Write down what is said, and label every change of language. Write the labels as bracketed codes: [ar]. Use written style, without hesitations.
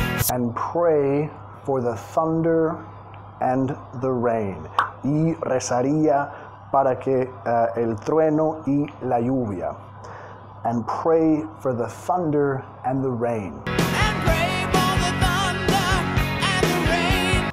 [en] And pray for the thunder and the rain. [es] Y rezaría para que el trueno y la lluvia. [en] And pray for the thunder and the rain. And pray for the thunder and the rain.